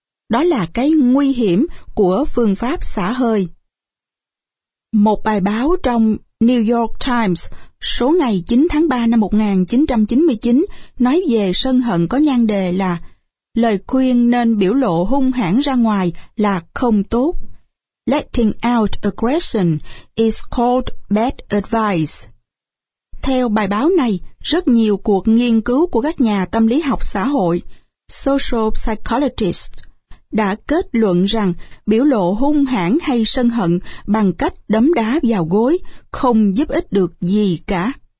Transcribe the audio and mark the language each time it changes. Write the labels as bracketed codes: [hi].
[vi] Đó là cái nguy hiểm của phương pháp xả hơi. Một bài báo trong New York Times số ngày 9 tháng 3 năm 1999 nói về sân hận có nhan đề là lời khuyên nên biểu lộ hung hãn ra ngoài là không tốt. [en] Letting out aggression is called bad advice. [vi] Theo bài báo này, rất nhiều cuộc nghiên cứu của các nhà tâm lý học xã hội, [en] social psychologists, [vi] đã kết luận rằng biểu lộ hung hãn hay sân hận bằng cách đấm đá vào gối không giúp ích được gì cả.